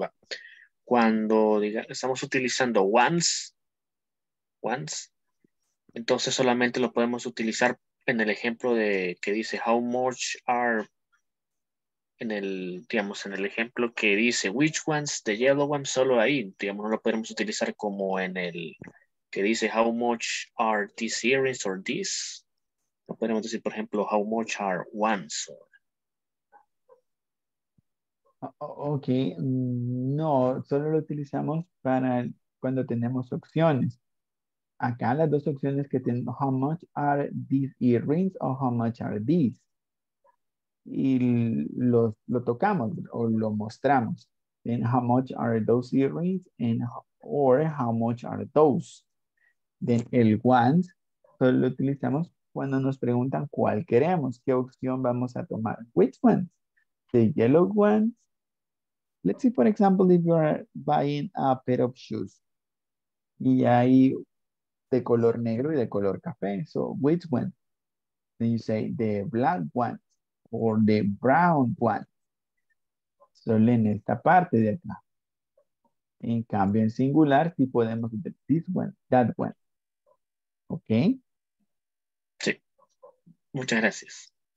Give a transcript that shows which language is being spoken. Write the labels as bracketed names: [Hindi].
[Spanish] ¿Va? Cuando estamos utilizando once, entonces solamente lo podemos utilizar en el ejemplo de que dice [English] how much are, [Spanish] en el, digamos, en el ejemplo que dice [English] which ones, the yellow ones, [Spanish] solo ahí, digamos, no lo podemos utilizar como en el que dice [English] how much are these earrings or this. [Spanish] No podemos decir, por ejemplo, [English] how much are ones. [Spanish] Ok, no, solo lo utilizamos para cuando tenemos opciones. Acá las dos opciones que tengo, [English] how much are these earrings [Spanish] o [English] how much are these. [Spanish] Y lo tocamos o lo mostramos. [English] Then how much are those earrings and or how much are those. [Spanish] Then el ones solo lo utilizamos cuando nos preguntan cuál queremos, qué opción vamos a tomar. [English] Which ones? The yellow ones. Let's see, for example, if you are buying a pair of shoes. [Spanish] Y hay de color negro y de color café. [English] So, which one? Then you say the black one or the brown one. [Spanish] Solo en esta parte de acá. En cambio, en singular, sí podemos decir [English] this one, that one. [Spanish] ¿Ok? Sí. Muchas gracias.